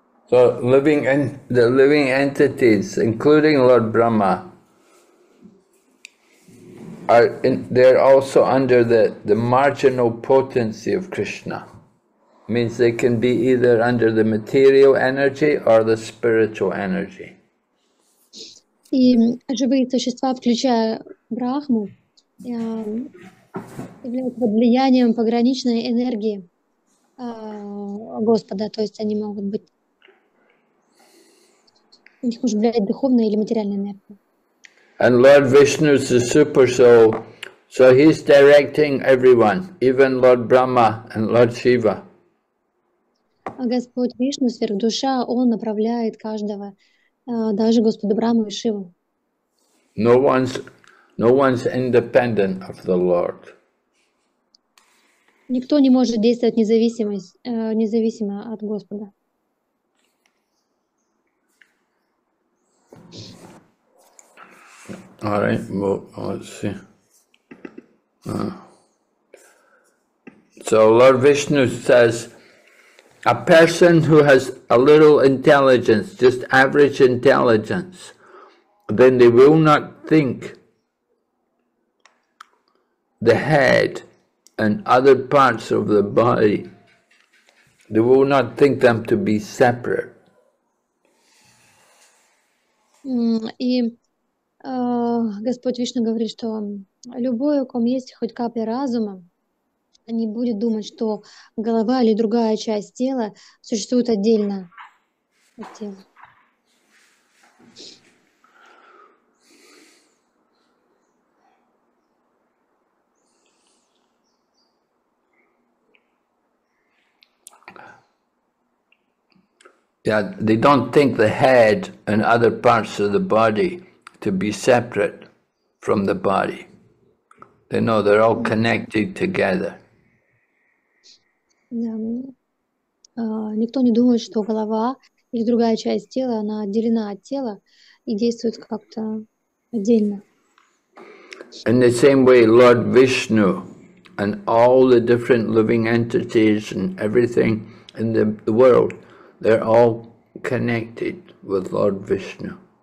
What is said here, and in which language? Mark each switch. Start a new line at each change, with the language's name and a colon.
English: So living in the living entities, including Lord Brahma, they're also under the marginal potency of Krishna. Means they can be either under the material energy or the spiritual energy.
Russian: И живые существа, включая Брахму, являются под влиянием пограничной энергии Господа, то есть они могут быть, у них может влиять духовная или материальная энергия.
English: And Lord Vishnu is the super soul, so he's directing everyone, even Lord Brahma and Lord Shiva.
Russian: А Господь Вишну, сверхдуша, он направляет каждого, даже Господа Брахму и Шиву.
English: No one's independent of the Lord.
Russian: Никто не может действовать независимо от Господа.
English: All right, well, let's see. So Lord Vishnu says, a person who has a little intelligence, just average intelligence, then they will not think the head and other parts of the body, they will not think them to be separate.
Russian: Господь Вишну говорит, что любой, у ком есть хоть капля разума, не будет думать, что голова или другая часть тела существует отдельно от тела.
English: Yeah, they don't think the head and other parts of the body to be separate from the body. They know they're all connected together.
Russian: Никто не думает, что голова или другая часть тела, она отделена от тела и действует как-то отдельно.
English: In the same way, Lord Vishnu and all the different living entities and everything in the world, they're all connected with Lord Vishnu.